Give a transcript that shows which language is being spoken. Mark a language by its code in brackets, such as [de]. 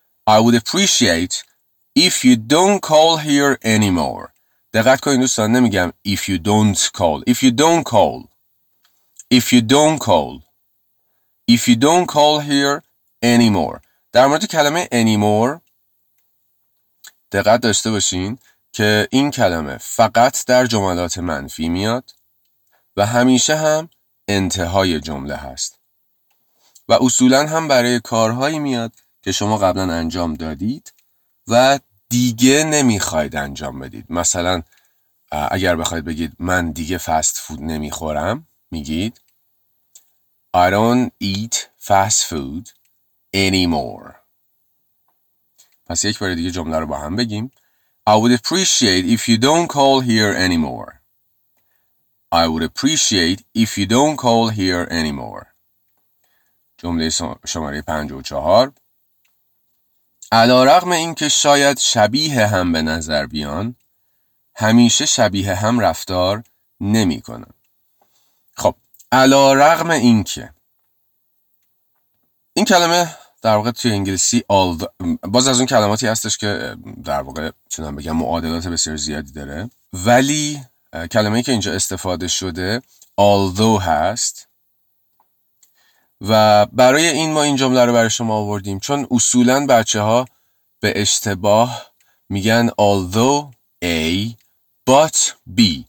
[en] I would appreciate if you don't call here anymore. [fa] دقت کنید دوستان، نمیگم [en] if you don't call. If you don't call. If you don't call. If you don't call here anymore. [fa] در مورد کلمه anymore دقت داشته باشین که این کلمه فقط در جملات منفی میاد و همیشه هم انتهای جمله هست و اصولا هم برای کارهایی میاد که شما قبلا انجام دادید و دیگه نمیخواید انجام بدید. مثلا اگر بخواید بگید من دیگه فست فود نمیخورم، میگید [en] I don't eat fast food anymore. [fa] پس یک بار دیگه جمله رو با هم بگیم. [en] I would appreciate if you don't call here anymore. I would appreciate if you don't call here anymore. [fa] جمله شماره 54. علی‌رغم اینکه شاید شبیه هم به نظر بیان، همیشه شبیه هم رفتار نمی کنن. خب، علی‌رغم اینکه، این کلمه در واقع توی انگلیسی باز از اون کلماتی هستش که در واقع چنان بگم معادلات بسیار زیادی داره، ولی کلمه‌ای که اینجا استفاده شده although هست و برای این ما این جمله رو برای شما آوردیم چون اصولاً بچه ها به اشتباه میگن [en] although A but B.